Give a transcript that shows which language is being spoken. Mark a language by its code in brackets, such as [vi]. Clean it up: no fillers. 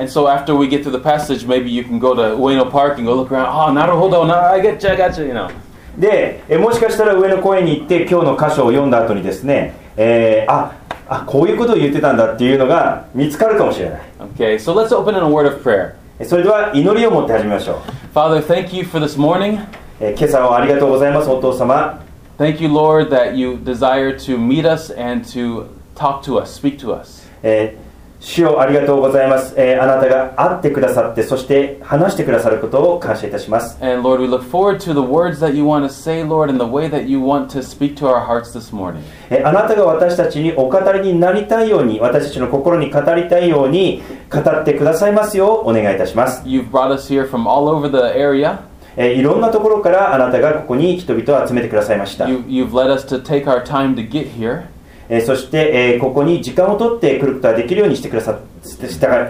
[en] And so after we get through the passage, maybe you can go to Ueno Park and go look around. Ah, [ja] なるほど、 [en] な、I get you, you know. [ja] で、もしかしたら上野公園に行って今日の箇所を読んだ後にですね、あ、こういうことを言ってたんだっていうのが見つかるかもしれない。 [en] Okay, so let's open in a word of prayer. [ja] それでは祈りを持って始めましょう。 [en] Father, thank you for this morning. [ja] 今朝はありがとうございます、お父様。 [en] Thank you, Lord, that you desire to meet us and to Talk to us. Speak to us. [ja] 主よ、ありがとうございます。あなたが会ってくださって、そして話してくださることを感謝いたします。 [en] And Lord, we look forward to the words that you want to say, Lord, and the way that you want to speak to our hearts this morning. [ja] あなたが私たちにお語りになりたいように、私たちの心に語りたいように語ってくださいますようお願いいたします。 [en] You've brought us here from all over the area. [ja] いろんなところからあなたがここに人々を集めてくださいました。 [en] You've led us to take our time to get here. [ja] そして、ここに時間を取って来ることができるようにしてくださいました。